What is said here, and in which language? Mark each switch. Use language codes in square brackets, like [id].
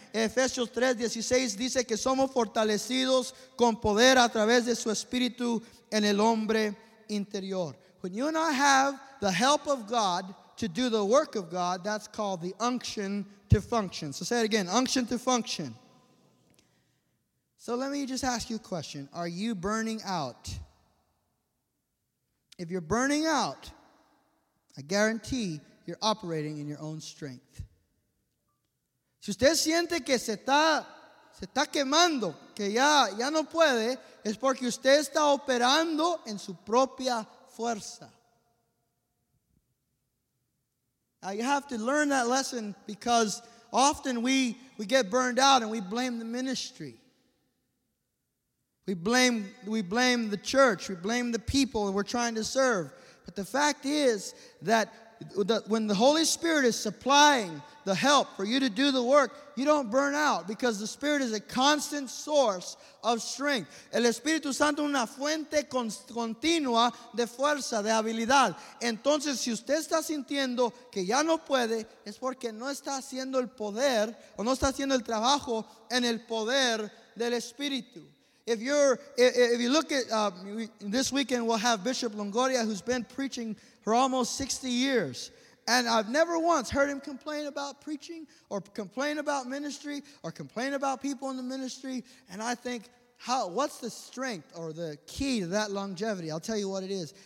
[es] Efesios 3:16 dice que somos fortalecidos con poder a través de su espíritu en el hombre interior. [en] When you and I have the help of God to do the work of God, that's called the unction to function. So say it again, unction to function. So let me just ask you a question. Are you burning out? If you're burning out, I guarantee you're operating in your own strength. [es] Si usted siente que se está quemando, que ya no puede, es porque usted está operando en su propia fuerza. [en] Now you have to learn that lesson, because often we get burned out and we blame the ministry. We blame the church. We blame the people we're trying to serve. But the fact is that when the Holy Spirit is supplying the help for you to do the work, you don't burn out, because the Spirit is a constant source of strength. [es] El Espíritu Santo es una fuente continua de fuerza, de habilidad. Entonces, si usted está sintiendo que ya no puede, es porque no está haciendo el poder, o no está haciendo el trabajo en el poder del Espíritu. [en] This weekend we'll have Bishop Longoria, who's been preaching for almost 60 years. And I've never once heard him complain about preaching or complain about ministry or complain about people in the ministry. And I think, what's the strength or the key to that longevity? I'll tell you what it is.